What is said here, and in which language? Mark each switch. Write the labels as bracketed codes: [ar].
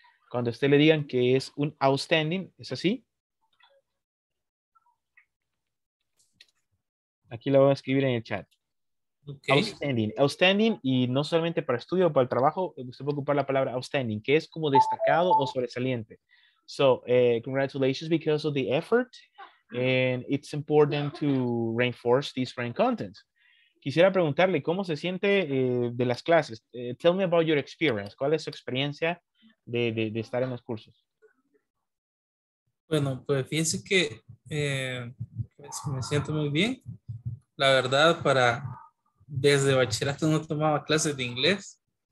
[es] Cuando usted le digan que es un outstanding, ¿es así? Aquí lo voy a escribir en el chat. [en] Okay. [es] Outstanding, y no solamente para estudio o para el trabajo, usted puede ocupar la palabra outstanding, que es como destacado o sobresaliente. [en] So, congratulations because of the effort, and it's important to reinforce this brand content. [es] Quisiera preguntarle, ¿cómo se siente de las clases? [en] Tell me about your experience. [es] ¿Cuál es su experiencia de estar en los cursos? Bueno, pues fíjense que pues me siento muy bien. La verdad, para desde bachillerato no tomaba clases de inglés.